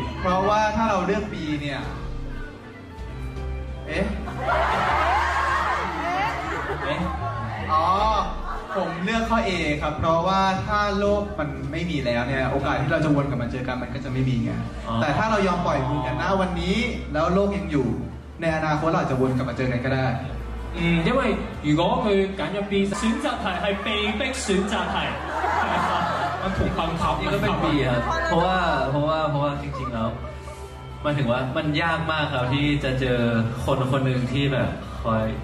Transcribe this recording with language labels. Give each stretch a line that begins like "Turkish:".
Thai: เพราะว่าถ้าเราเลือกปีเนี่ยอ๋อผมเลือกข้อ A ครับเพราะว่าถ้าโลกมันไม่มีแล้วเนี่ยโอกาสที่เราจะวนกลับมาเจอกันมันก็จะไม่มีไงแต่ถ้าเรายอมปล่อยมือกันนะวันนี้แล้วโลกยังอยู่ในอนาคตเราจะวนกลับมาเจอกันก็ได้
Chinese: 因为如果佢拣咗 B 选择题系被逼选择题
Thai: มันถูกบังคับ มันก็เป็น B ครับเพราะว่าจริงๆแล้วมันถึงว่ามันยากมากครับที่จะเจอคนคนหนึ่งที่แบบคอย